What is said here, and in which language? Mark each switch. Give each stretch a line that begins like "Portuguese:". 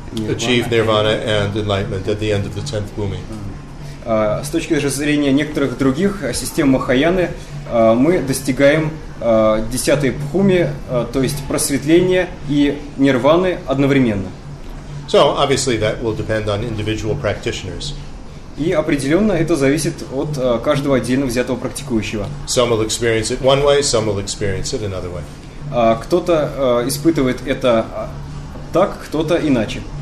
English: Achieve nirvana and enlightenment at the end of the 10th bhumi.
Russian: С точки зрения некоторых других систем Махаяны, мы достигаем 10-й бхуми, то есть просветления и нирваны одновременно.
English: So, obviously, that will depend on individual practitioners.
Russian: И определенно это зависит от каждого отдельно взятого практикующего.
English: Some will experience it one way, some will experience it another way.
Russian: Кто-то испытывает это так, кто-то иначе.